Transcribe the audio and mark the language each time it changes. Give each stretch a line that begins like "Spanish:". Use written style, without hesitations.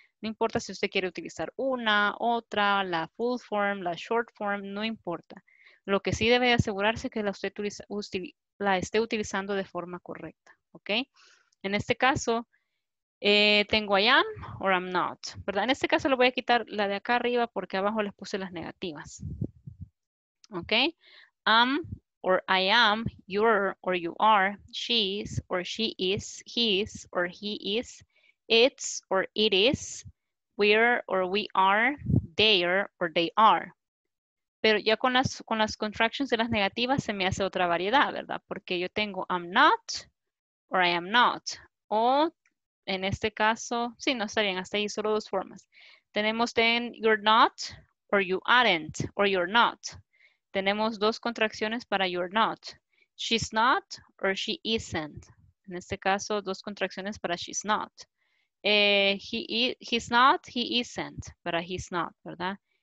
Spanish: No importa si usted quiere utilizar una, otra, la full form, la short form, no importa. Lo que sí debe asegurarse es que la esté utilizando de forma correcta, ¿ok? En este caso, Tengo
English: I am or I'm not,
Spanish: ¿verdad? En este caso lo voy a quitar la de acá arriba porque abajo les puse las negativas. ¿Ok?
English: Am or I am, you're or you are, she's or she is, he's or he is, it's or it is, we're or we are, they're or they are.
Spanish: Pero ya con las contractions de las negativas se me hace otra variedad, ¿verdad? Porque yo tengo
English: I'm not or I am not.
Spanish: O en este caso, sí, no estarían hasta ahí, solo dos formas.
English: Tenemos then you're not or you aren't or you're not.
Spanish: Tenemos dos contracciones para
English: you're not. She's not or she isn't.
Spanish: En este caso, dos contracciones para she's not.
English: He's not, he isn't,
Spanish: para he's not, ¿verdad?